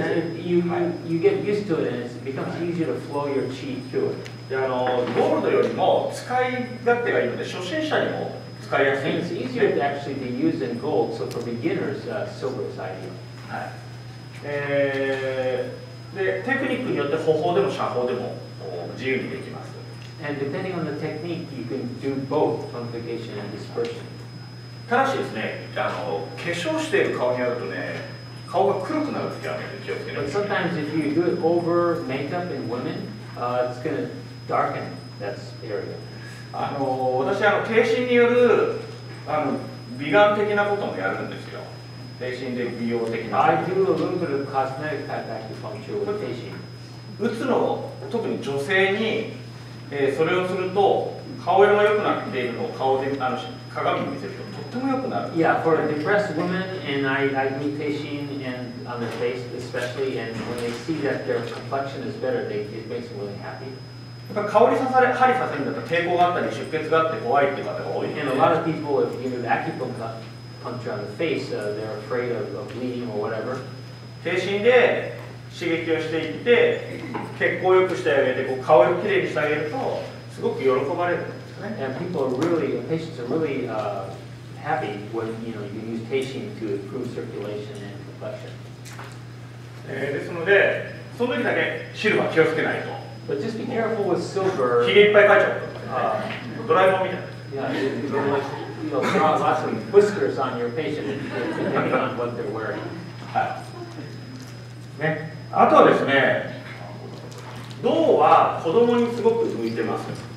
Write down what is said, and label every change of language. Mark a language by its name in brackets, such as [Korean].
[English] Oh, so you get used to it and it becomes easier to flow your chi through it. [Japanese] ゴールドよりも使い勝手がいいので初心者にも使いやすい。 [English] And it's easier to actually to use in gold, so for beginners, silver is ideal. [Japanese] はい。でテクニックによって歩法でも斜方でも自由にできます。 [English] And depending on the technique, you can do both tonification and dispersion. [Japanese] ただしですね、化粧している顔にあるとね、顔が黒くなる時あるので気をつけて。 [English] But sometimes if you do it over makeup in women, it's going to darken that area. [Japanese] 私低振による美顔的なこともやるんですよ。低振で美容的な。 [English] I do a little bit of cosmetic type acupuncture with 低振。 [Japanese] 打つの特に女性に。それをすると顔色が良くなっているのを顔で鏡に見せるととっても良くなる。 [English] Yeah, for a depressed woman and I do teishin and on the face especially and when they see that their complexion is better, it makes them really happy. [Japanese] やっぱ顔に刺され、針刺されるんだったら抵抗があったり出血があって怖いっていう方が多い。 [English] And a lot of people, if you do acupuncture on the face, they're afraid of bleeding or whatever. [Japanese] 定心で刺激をしていって血行を良くしてあげてこう顔をきれいにしてあげるとすごく喜ばれるんですよね。 [English] And people are really, patients are really happy when you know, you use teishin to improve circulation and complexion. [Japanese] ですのでその時だけシルバー気をつけないと。 [English] But just be careful with silver. [Japanese] ひげいっぱい描いちゃうとドラえもんみたいな。 [English] Yeah, you'll draw lots of whiskers on your patient depending on what they're wearing. [Japanese] ね、あとはですね、銅は子供にすごく向いてます。